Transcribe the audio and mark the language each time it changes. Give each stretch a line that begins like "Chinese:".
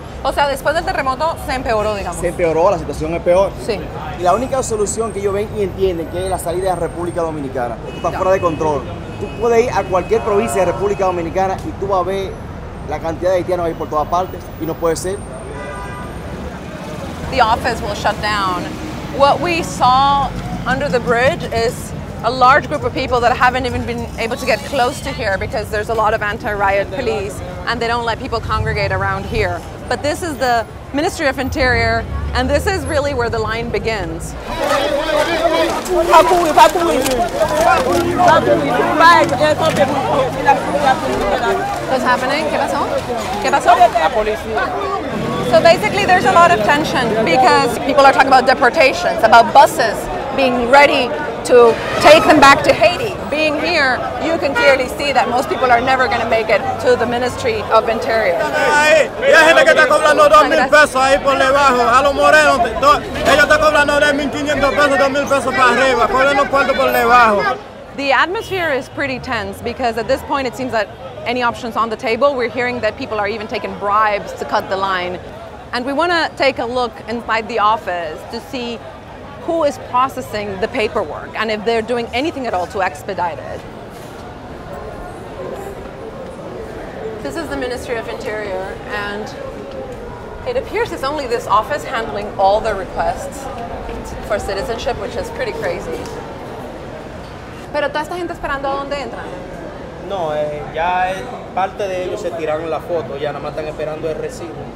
Spanish: O sea, después del terremoto se empeoró, digamos. Se empeoró, la situación es peor. Sí. Y la única solución que ellos ven y entienden que es la salida de la República Dominicana. Esto está fuera de control. Tú puedes ir a cualquier provincia de República Dominicana y tú vas a ver la cantidad de haitianos ahí por todas partes y no puede ser.
English: The office will shut down. What we saw under the bridge is a large group of people that haven't even been able to get close to here because there's a lot of anti-riot police and they don't let people congregate around here. But this is the Ministry of Interior, and this is really where the line begins. What's happening?
Spanish: ¿Qué pasó?
English: So basically, there's a lot of tension because people are talking about deportations, about buses being ready to take them back to Haiti, be being here, you can clearly see that most people are never going to make it to the Ministry of Interior.
Spanish: Hay gente que está cobrando 2,000 pesos ahí por debajo, a los morenos. Ellos están cobrando de 1,500 pesos, 2,000 pesos para arriba. Cobren los cuartos por debajo.
English: The atmosphere is pretty tense because at this point it seems that any options on the table, we're hearing that people are even taking bribes to cut the line. And we want to take a look inside the office to see who is processing the paperwork and if they're doing anything at all to expedite it. This is the Ministry of Interior, and it appears it's only this office handling all the requests for citizenship, which is pretty crazy.
Spanish: Pero toda esta gente esperando a dónde entran. No, ya parte de ellos se tiraron la foto, ya nada más están esperando el recibo.